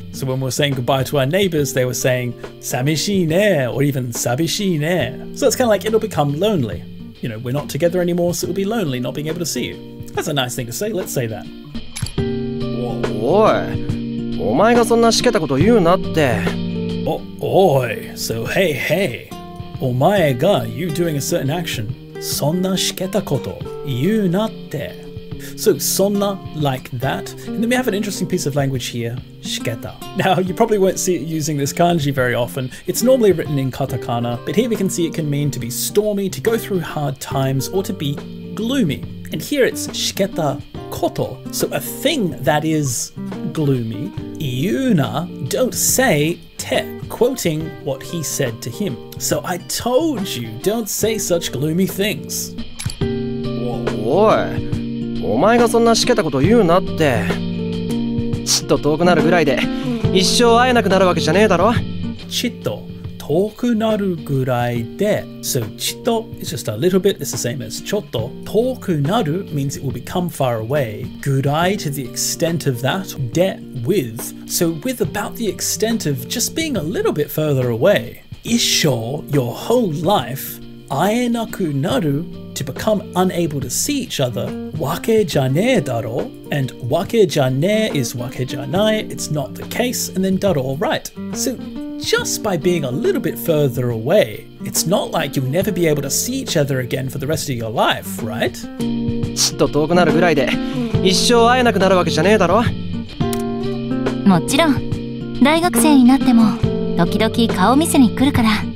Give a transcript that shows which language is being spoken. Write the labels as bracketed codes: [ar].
[en] So when we were saying goodbye to our neighbors, they were saying, [ja] 寂しいね, [en] or even 寂しいね. So it's kind of like, it'll become lonely. You know, we're not together anymore, so it'll be lonely not being able to see you. That's a nice thing to say, let's say that. [ja] Oi, お前がそんなしけたこと言うなって。 [en] Oi, so hey, hey, [ja] お前が [en] you doing a certain action. [ja] そんなしけたこと言うなって。 [en] So, そんな like that. And then we have an interesting piece of language here, しけた. Now, you probably won't see it using this kanji very often. It's normally written in katakana, but here we can see it can mean to be stormy, to go through hard times, or to be gloomy. And here it's しけたこと. So a thing that is gloomy, [ja] 言うな, [en] don't say te. Quoting what he said to him. So I told you, don't say such gloomy things. [ja] Oi, お前がそんなしけたこと言うなって。ちっと遠くなるぐらいで、一生会えなくなるわけじゃねえだろ。ちっと遠くなるぐらいで。 [en] So ちっと is just a little bit, it's the same as ちょっと。 [ja] 遠くなる [en] means it will become far away. ぐらい to the extent of that. で、with. So with about the extent of just being a little bit further away. 一生 your whole life, [ja] 会えなくなる [en] to become unable to see each other. [ja] わけじゃねえだろ。And わけじゃねえ is わけじゃない。 [en] It's not the case. And then だろ right. So,Just by being a little bit further away, it's not like you'll never be able to see each other again for the rest of your life, right? [ja] ちっと遠くなるぐらいで、一生会えなくなるわけじゃねえだろ。もちろん、大学生になっても、時々顔見せに来るから。